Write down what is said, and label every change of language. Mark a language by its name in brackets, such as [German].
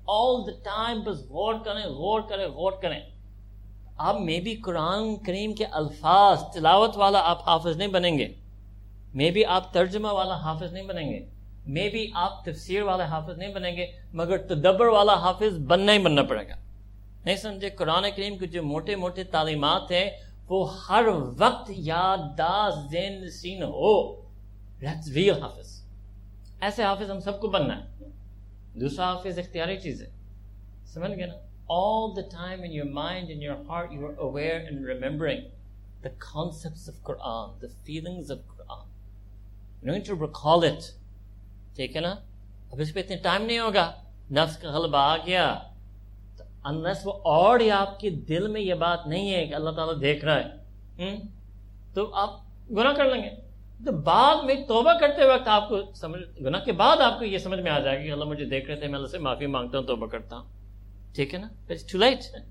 [English] all the time [Urdu] بس غور کریں, غور کریں, غور کریں. آپ مے بی قرآن کریم کے الفاظ تلاوت والا آپ حافظ نہیں بنیں گے, مے بی آپ ترجمہ والا حافظ نہیں بنیں گے, مے بی آپ تفسیر والا حافظ نہیں بنیں گے, مگر تدبر والا حافظ بننا ہی بننا پڑے گا. نہیں سمجھے, قرآن کریم کے جو موٹے موٹے تعلیمات ہیں وہ ہر وقت یادداشت ذہن نشین ہو. [English] That's real حافظ. [Urdu] ایسے حافظ ہم سب کو بننا ہے. دوسرا حافظ اختیاری چیز ہے, سمجھ گئے نا. [English] All the time in your mind, in your heart, you are aware and remembering the concepts of Quran, the feelings of Quran. You need to recall it. [Urdu] ٹھیک ہے نا. اب اس پہ اتنے ٹائم نہیں ہوگا, نفس کا غلبہ آ گیا. انلیس وہ اور آپ کے دل میں یہ بات نہیں ہے کہ اللہ تعالیٰ دیکھ رہا ہے, تو آپ گناہ کر لیں گے. تو بعد میں توبہ کرتے وقت آپ کو سمجھ, گناہ کے بعد آپ کو یہ سمجھ میں آ جائے گا کہ اللہ مجھے دیکھ رہے تھے, میں اللہ سے معافی مانگتا ہوں, توبہ کرتا ہوں, ٹھیک ہے نا. To light,